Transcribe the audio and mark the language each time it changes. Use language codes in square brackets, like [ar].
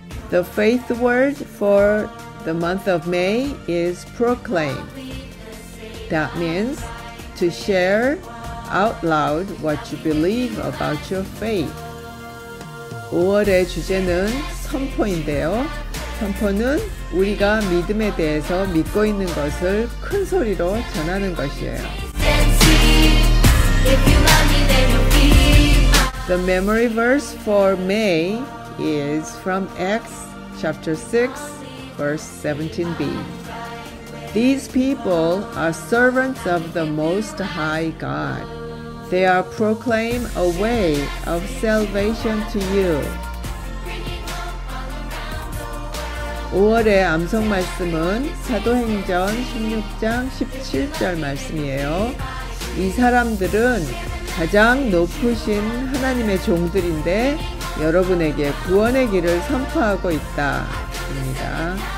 [en] The faith word for the month of May is proclaim. That means to share out loud what you believe about your faith. [ko] 5월의 주제는 선포인데요. 선포는 우리가 믿음에 대해서 믿고 있는 것을 큰 소리로 전하는 것이에요. [en] The memory verse for May is from Acts chapter 6, verse 17b. These people are servants of the Most High God. They are proclaim a way of salvation to you. [ko] 5월의 암송 말씀은 사도행전 16장 17절 말씀이에요. 이 사람들은 가장 높으신 하나님의 종들인데 여러분에게 구원의 길을 선포하고 있다입니다.